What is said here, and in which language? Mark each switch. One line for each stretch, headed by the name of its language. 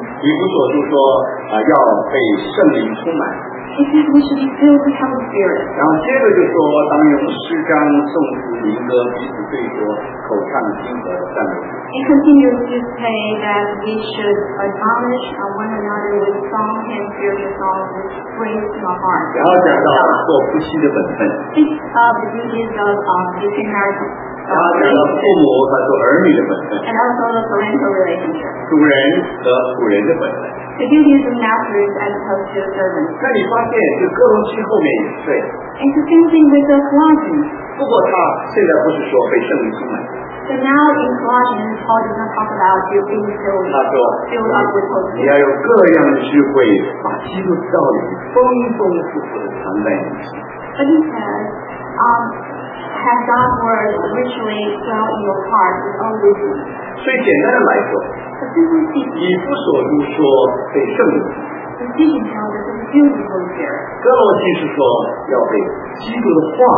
Chinese: 以弗所书说要被圣灵充满
English: He said we should be filled with the Holy Spirit.
Chinese: 然后接着就说，当用诗歌、颂词、民歌彼此对说，口唱心得的赞美。
English: He continues to say that we should admonish one another with songs and spiritual songs which brings to our heart.
Chinese: 然后讲到做夫妻的本分。
English: Speaks of the duties of Christian marriage. And also the parental relationship.
Chinese: 主人和仆人的本分。
English: The duties of masters as opposed to servants.
Chinese: 这里发现就哥罗西后面也对。
English: It's the same thing with the Colossians.
Chinese: 不过他现在不是说被圣灵充满。
English: So now in Colossians, Paul does not talk about you being filled,
Chinese: 他说,
English: filled up with hope.
Chinese: 你要用各样的智慧把基督的道理丰丰富富的藏在你心。
English: But he says, have God's word richly dwell in your heart with all wisdom.
Chinese: 所以简单的来说,
English: But simply speaking,
Chinese: 以弗所书说被圣灵。
English: The teaching tells us it's filled with Holy Spirit.
Chinese: 哥罗西是说要被基督的话。